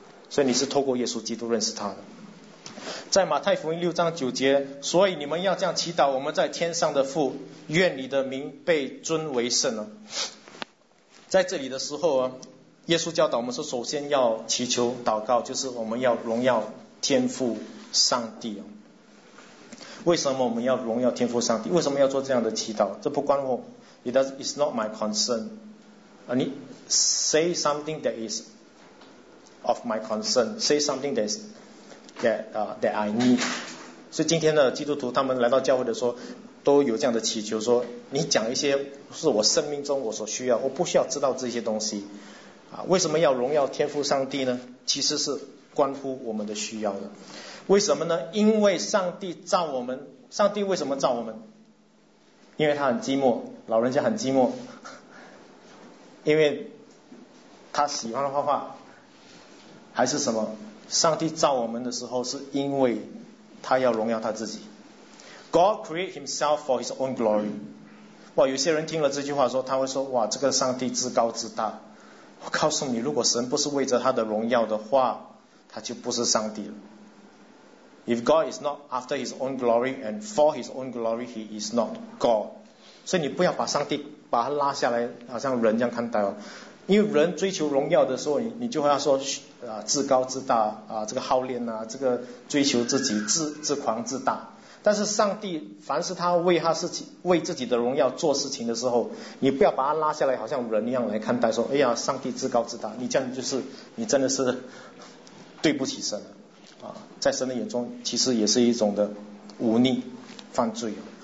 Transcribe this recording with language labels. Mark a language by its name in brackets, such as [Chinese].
[Chinese] 所以你是透过耶稣基督认识他的。在马太福音六章九节，所以你们要这样祈祷，我们在天上的父，愿你的名被尊为圣。在这里的时候，耶稣教导我们说，首先要祈求祷告，就是我们要荣耀天父上帝。为什么我们要荣耀天父上帝？为什么要做这样的祈祷？这不关我， [English] It's not my concern. And say something that is of my concern. Say something that is that I need. [Chinese] 所以今天的基督徒他们来到教会的时候都有这样的祈求，说你讲一些是我生命中我所需要，我不需要知道这些东西。为什么要荣耀天父上帝呢？其实是关乎我们的需要的。为什么呢？因为上帝造我们。上帝为什么造我们？因为他很寂寞，老人家很寂寞，因为他喜欢画画，还是什么？上帝造我们的时候是因为他要荣耀他自己。 [English] God create himself for his own glory. [Chinese] 哇，有些人听了这句话说，他会说，哇，这个上帝至高至大。我告诉你，如果神不是为着他的荣耀的话，他就不是上帝了。 [English] If God is not after his own glory and for his own glory, he is not God. [Chinese] 所以你不要把上帝把他拉下来好像人这样看待哦。因为人追求荣耀的时候，你就会要说至高至大啊，这个好恋啊，这个追求自己自狂自大。但是上帝凡是他为他自己为自己的荣耀做事情的时候，你不要把他拉下来好像人一样来看待，说哎呀上帝至高至大，你这样就是你真的是对不起神了啊，在神的眼中其实也是一种的忤逆犯罪。